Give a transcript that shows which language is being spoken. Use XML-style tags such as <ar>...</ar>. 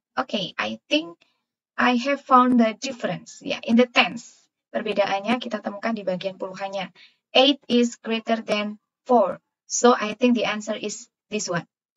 <en>Okay, I think I have found the difference. Yeah, in the tens.</en> <id>Perbedaannya kita temukan di bagian puluhannya.</id> <en>8 is greater than 4. So I think the answer is this one.</en>